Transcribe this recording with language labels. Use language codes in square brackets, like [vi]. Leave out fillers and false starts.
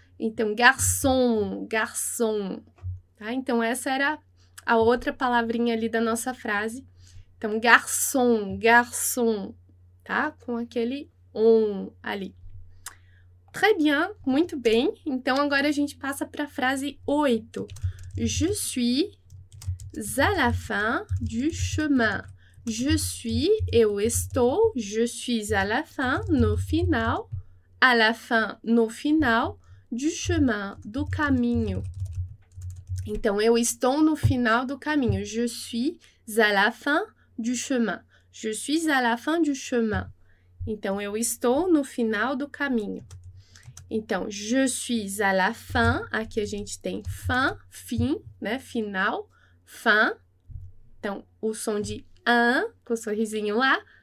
[pt] Então, garçon, garçon, tá? Então, essa era a outra palavrinha ali da nossa frase. Então, garçon, garçon, tá? Com aquele on ali. [fr] Très bien, [pt] muito bem. Então agora a gente passa para a frase 8. [fr] Je suis à la fin du chemin. Je suis, [pt] eu estou, [fr] je suis à la fin, [pt] no final, [fr] à la fin, no final, du chemin, [pt] do caminho. Então, eu estou no final do caminho. [fr] Je suis à la fin du chemin. Je suis à la fin du chemin. [pt] Então, eu estou no final do caminho. Então, [fr] je suis à la fin. [pt] Aqui a gente tem fin, fim, né? Final, fin. Então, o som de un, com o sorrisinho lá.